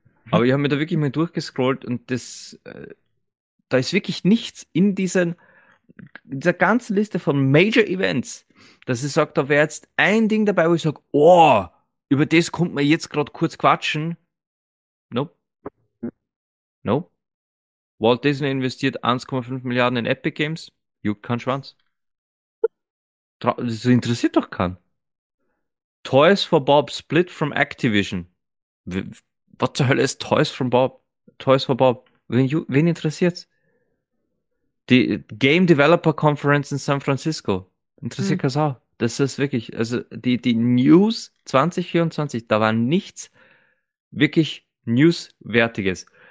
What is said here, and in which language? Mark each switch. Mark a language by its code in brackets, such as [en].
[de] Aber ich habe mir da wirklich mal durchgescrollt und das... da ist wirklich nichts in dieser ganzen Liste von Major Events, dass ich sage, da wäre jetzt ein Ding dabei, wo ich sage, oh, über das kommt man jetzt gerade kurz quatschen. Nope. Walt Disney investiert 1,5 Milliarden in Epic Games. Juckt keinen Schwanz. Das interessiert doch keinen. [en] Toys for Bob split from Activision. [de] Was zur Hölle ist Toys from Bob? Toys for Bob. Wen interessiert's? Die Game Developer Conference in San Francisco. Interessiert keinen Sau. Das ist wirklich, also die News 2024, da war nichts wirklich Newswertiges.